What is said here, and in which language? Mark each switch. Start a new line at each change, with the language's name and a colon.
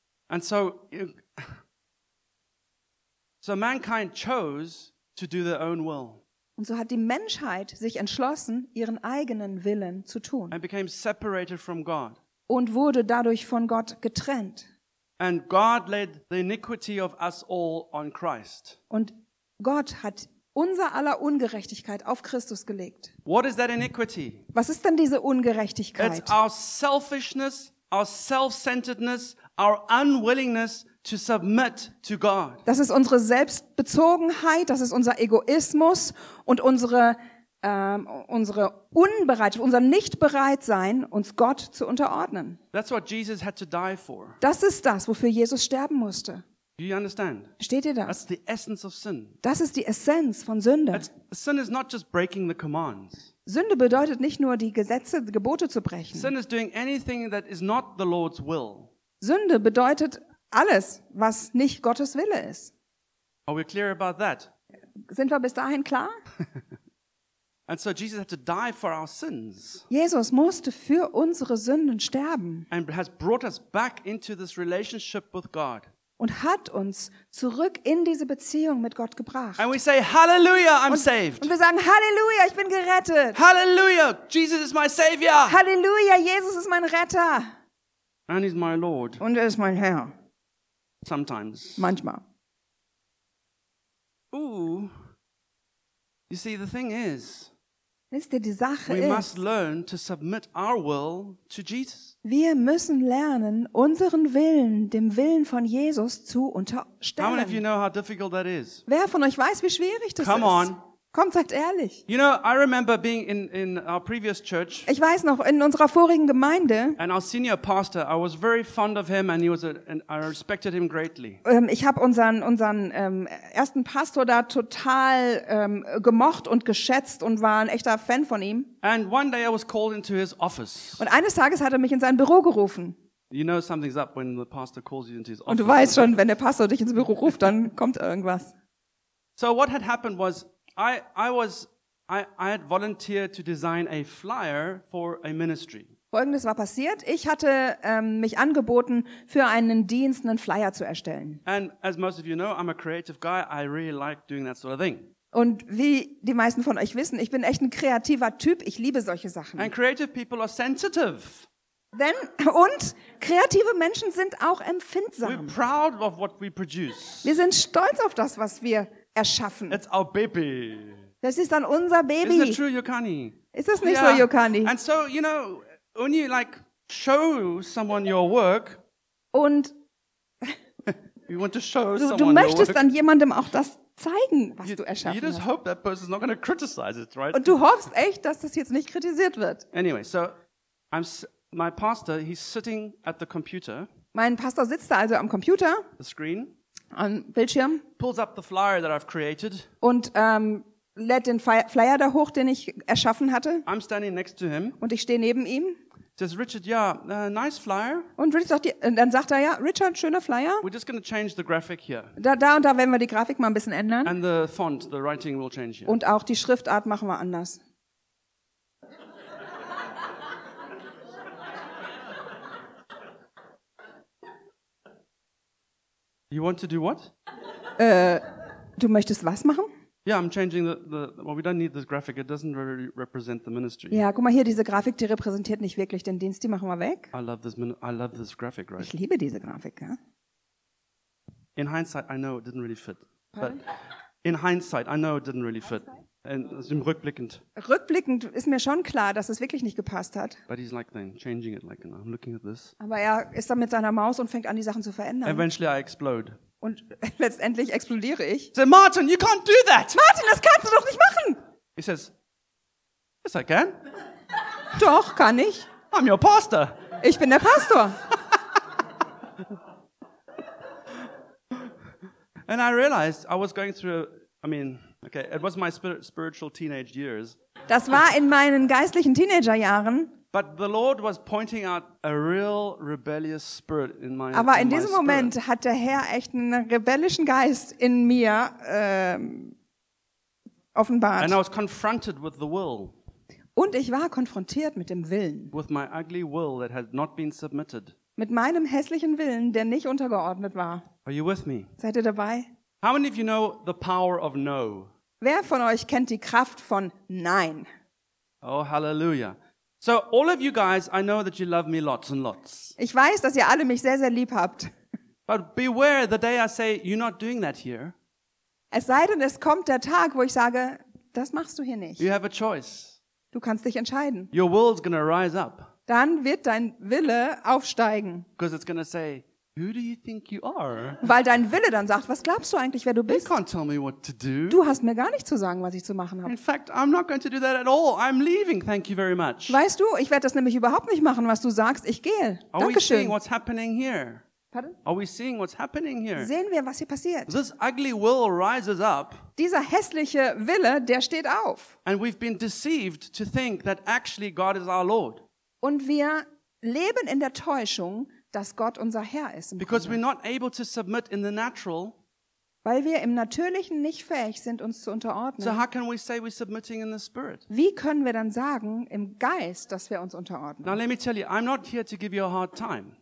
English: And so, mankind chose to do their own will.
German: Und so hat die Menschheit sich entschlossen, ihren eigenen Willen zu tun.
English: And became separated from God.
German: Und wurde dadurch von Gott getrennt.
English: And God laid the iniquity of us all on Christ.
German: Und Gott hat unser aller Ungerechtigkeit auf Christus gelegt.
English: What is that iniquity?
German: Was ist denn diese Ungerechtigkeit?
English: It's our selfishness, our self-centeredness, our unwillingness to submit to God.
German: Das ist unsere Selbstbezogenheit, das ist unser Egoismus und unsere Unbereitschaft, unser Nichtbereitsein, uns Gott zu unterordnen.
English: That's what Jesus had to die for.
German: Das ist das, wofür Jesus sterben musste.
English: Do you understand?
German: Versteht ihr das?
English: That's the essence of sin.
German: Das ist die Essenz von Sünde.
English: Sin is not just breaking the commands.
German: Sünde bedeutet nicht nur, die Gesetze, die Gebote zu brechen.
English: Sin is doing anything that is not the Lord's will.
German: Sünde bedeutet alles, was nicht Gottes Wille ist.
English: Are we clear about that?
German: Sind wir bis dahin klar?
English: And so Jesus had to die for our sins.
German: Jesus musste für unsere Sünden sterben.
English: And has brought us back into this relationship with God.
German: Und hat uns zurück in diese Beziehung mit Gott gebracht.
English: And we say hallelujah, I'm saved.
German: Und wir sagen hallelujah, ich bin gerettet.
English: Hallelujah, Jesus is my savior.
German: Hallelujah, Jesus ist mein Retter.
English: And he's my Lord.
German: Und er ist mein Herr.
English: Sometimes.
German: Manchmal.
English: Ooh. You see, the thing is,
German: wisst ihr, die Sache
English: we
German: ist,
English: must learn to submit our will to Jesus.
German: Wir müssen lernen, unseren Willen dem Willen von Jesus zu unterstellen.
English: How many of you know how difficult that is?
German: Wer von euch weiß, wie schwierig das
English: Come
German: ist?
English: On.
German: Kommt, seid ehrlich.
English: You know, I remember being in our previous church.
German: Ich weiß noch, in unserer vorigen Gemeinde.
English: And our senior pastor, I was very fond of him and he was I respected him greatly.
German: Ich habe unseren ersten Pastor da total gemocht und geschätzt und war ein echter Fan von ihm.
English: And one day I was called into his office.
German: Und eines Tages hat er mich in sein Büro gerufen.
English: You know something's up when the pastor calls you into his office.
German: Und du weißt schon, wenn der Pastor dich ins Büro ruft, dann kommt irgendwas.
English: So what had happened was I had volunteered to design a flyer for a ministry.
German: Folgendes war passiert: Ich hatte mich angeboten, für einen Dienst einen Flyer zu erstellen.
English: And as most of you know, I'm a creative guy. I really like doing that sort of thing.
German: Und wie die meisten von euch wissen, ich bin echt ein kreativer Typ. Ich liebe solche Sachen.
English: And creative people are sensitive.
German: Denn und kreative Menschen sind auch empfindsam.
English: We're proud of what we produce.
German: Wir sind stolz auf das, was wir erschaffen.
English: It's our baby.
German: Das ist dann unser Baby.
English: Isn't it true, Yokani?
German: Ist das nicht yeah. so, Yokani?
English: And so, you know, when you like show someone your work,
German: und
English: you want to show
German: du,
English: someone
German: du möchtest
English: your work,
German: dann jemandem auch das zeigen, was du erschaffen hast.
English: You just
German: hast.
English: Hope that person's not going to criticize it, right?
German: Und du hoffst echt, dass das jetzt nicht kritisiert wird.
English: Anyway, so my pastor, he's sitting at the computer.
German: Mein Pastor sitzt da also am Computer.
English: The screen.
German: Am Bildschirm.
English: Pulls up the flyer that I've created.
German: Und lädt den Flyer da hoch, den ich erschaffen hatte.
English: I'm standing next to him.
German: Und ich stehe neben ihm.
English: Says Richard, yeah, nice flyer.
German: Und Richard sagt, dann sagt er, ja, Richard, schöner Flyer.
English: We're just going to change the graphic here.
German: Da und da werden wir die Grafik mal ein bisschen ändern.
English: And the font, the writing will change here.
German: Und auch die Schriftart machen wir anders.
English: You want to do what?
German: Du möchtest was machen?
English: Yeah, I'm changing well, we don't need this graphic. It doesn't really represent the ministry.
German: Ja, guck mal hier, diese Grafik, die repräsentiert nicht wirklich den Dienst. Die machen wir weg.
English: I love this graphic, right?
German: Ich liebe diese Grafik. Ja?
English: In hindsight, I know it didn't really fit. Pardon? But in hindsight, I know it didn't really fit.
German: Also im Rückblickend ist mir schon klar, dass es wirklich nicht gepasst hat.
English: But he's like then changing it, like, you know, I'm looking at this.
German: Aber er ist dann mit seiner Maus und fängt an, die Sachen zu verändern.
English: Eventually I explode.
German: Und letztendlich explodiere ich.
English: So Martin, you can't do that.
German: Martin, das kannst du doch nicht machen.
English: He says, yes, I can.
German: Doch, kann ich.
English: I'm your pastor.
German: Ich bin der Pastor.
English: And I realized I was going through, I mean, okay, it was my spiritual teenage years.
German: Das war in meinen geistlichen Teenagerjahren.
English: But the Lord was pointing out a real rebellious spirit in my spirit.
German: Aber in diesem Moment hat der Herr echt einen rebellischen Geist in mir offenbart.
English: And I was confronted with the will.
German: Und ich war konfrontiert mit dem Willen.
English: With my ugly will that had not been submitted.
German: Mit meinem hässlichen Willen, der nicht untergeordnet war.
English: Are you with me?
German: Seid ihr dabei?
English: How many of you know the power of no?
German: Wer von euch kennt die Kraft von Nein?
English: Oh, hallelujah. So all of you guys, I know that you love me lots and lots.
German: Ich weiß, dass ihr alle mich sehr, sehr lieb habt.
English: But beware the day I say, you're not doing that here.
German: Es sei denn, es kommt der Tag, wo ich sage, das machst du hier nicht.
English: You have a choice.
German: Du kannst dich entscheiden.
English: Your will's gonna rise up.
German: Dann wird dein Wille aufsteigen.
English: Because it's gonna say, who do you think you are?
German: Weil dein Wille dann sagt, was glaubst du eigentlich, wer du bist?
English: You can't tell me what to do.
German: Du hast mir gar nicht zu sagen, was ich zu machen habe.
English: In fact, I'm not going to do that at all. I'm leaving. Thank you very much.
German: Weißt du, ich werde das nämlich überhaupt nicht machen, was du sagst. Ich gehe.
English: Are
German: Dankeschön.
English: We seeing what's happening here? Pardon? Are we seeing what's happening here?
German: Sehen wir, was hier passiert.
English: This ugly will rises up.
German: Dieser hässliche Wille, der steht auf.
English: And we've been deceived to think that actually God is our Lord.
German: Und wir leben in der Täuschung, dass Gott unser Herr ist.
English: Because we're not able to submit in the natural.
German: Weil wir im Natürlichen nicht fähig sind, uns zu unterordnen.
English: So how can we say we're submitting in the spirit?
German: Wie können wir dann sagen, im Geist, dass wir uns unterordnen?
English: Now let me tell you, I'm not here to give you a hard time.